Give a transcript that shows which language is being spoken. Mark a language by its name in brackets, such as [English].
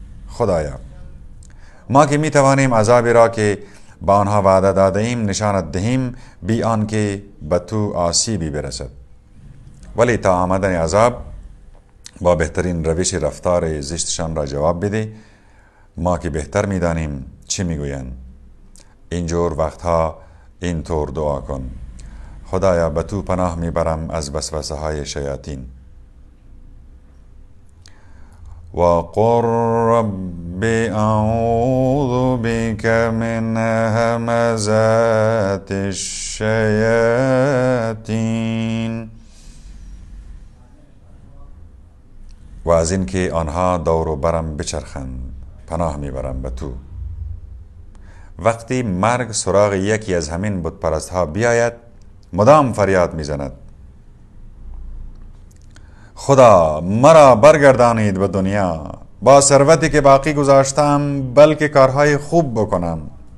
[Persian] خدایا ما که می توانیم عذابی را که با آنها وعده داده ایم نشانت دهیم بی آن که به تو آسیبی برسد، ولی تا آمدن عذاب با بهترین روش رفتار زشتشان را جواب بده. ما که بهتر می دانیم چی می گویند. اینجور وقتها اینطور دعا کن: خدایا به تو پناه می برم از وسوسه های شیاطین. [Arabic] وقل رب اعوذ بك من همزات الشياطين. [Persian] و از این که آنها دور و برم بچرخند پناه میبرم به تو. وقتی مرگ سراغ یکی از همین بت پرست ها بیاید مدام فریاد میزند: خدا مرا برگردانید به دنیا با ثروتی که باقی گذاشتم، بلکه کارهای خوب بکنم.